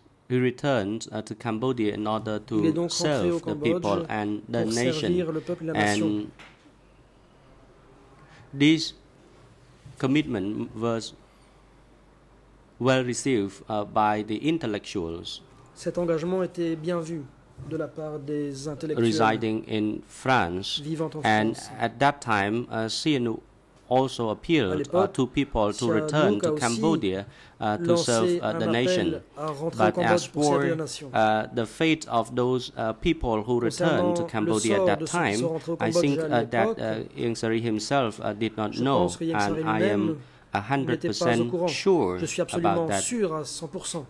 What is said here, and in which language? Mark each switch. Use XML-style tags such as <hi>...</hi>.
<en>He returned to Cambodia in order to serve the people and the nation. And this commitment was well received by the intellectuals.</en> <fr>Cet engagement était bien vu de la part des intellectuels</fr> <en>residing in France.</en> <fr>Vivant en France.</fr> <en>And at that time, CNU also appealed to people to return to Cambodia to serve the nation. But as for the fate of those people who returned to Cambodia at that time, I think that Ieng Sary himself did not know, and I am 100% sure about that.</en>